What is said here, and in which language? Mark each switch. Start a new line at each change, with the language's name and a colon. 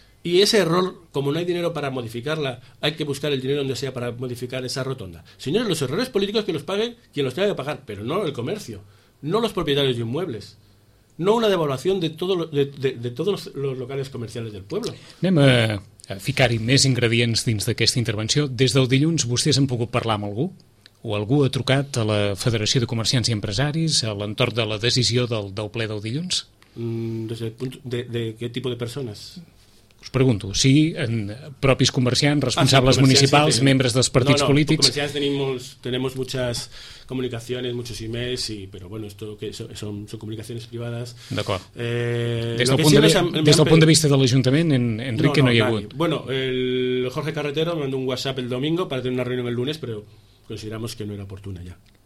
Spanish: Y ese error, como no hay dinero para modificarla, hay que buscar el dinero donde sea para modificar esa rotonda. Señores, los errores políticos que los paguen quien los tenga que pagar, pero no el comercio, no los propietarios de inmuebles. No una devaluación de todos los locales comerciales del pueblo.
Catalan: Anem a ficar-hi més ingredients dins d'aquesta intervenció. Des del dilluns, vostès han pogut parlar amb algú? O algú ha trucat a la Federació de Comerciants i Empresaris a l'entorn de la decisió del ple del dilluns? De què tipus de persones? Us pregunto, sí, en propis comerciants, responsables municipals, sí, membres dels partits polítics...
Spanish: No, comerciants tenemos muchas comunicaciones, muchos emails, pero bueno, esto que son comunicaciones privadas...
Catalan: D'acord. Des del punt de vista de l'Ajuntament, Enrique, no hi ha hagut.
Spanish: Bueno, el Jorge Carretero me mandó un WhatsApp el domingo para tener una reunión el lunes, pero consideramos que no era oportuna ya.